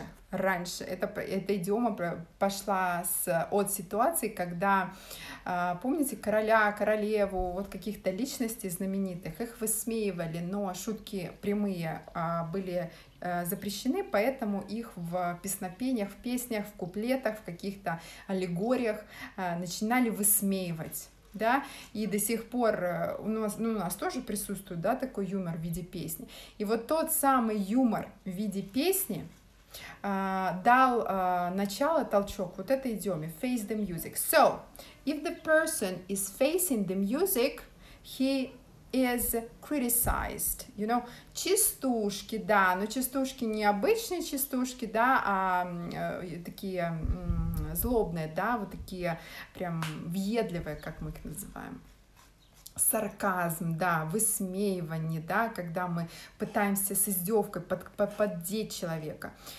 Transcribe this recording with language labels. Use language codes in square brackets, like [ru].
[ru] Раньше эта идиома пошла от ситуации, когда, помните, короля, королеву, вот каких-то личностей знаменитых, их высмеивали, но шутки прямые были запрещены, поэтому их в песнопениях, в песнях, в куплетах, в каких-то аллегориях начинали высмеивать. Да, и до сих пор у нас тоже присутствует, да, такой юмор в виде песни. И вот тот самый юмор в виде песни дал начало, толчок вот этой идиоме face the music. [en] So, if the person is facing the music, he is criticized. You know, [ru] частушки, да, но частушки не обычные частушки, да, а такие злобные, да, вот такие прям въедливые, как мы их называем. Сарказм, да, высмеивание, да, когда мы пытаемся с издевкой поддеть человека.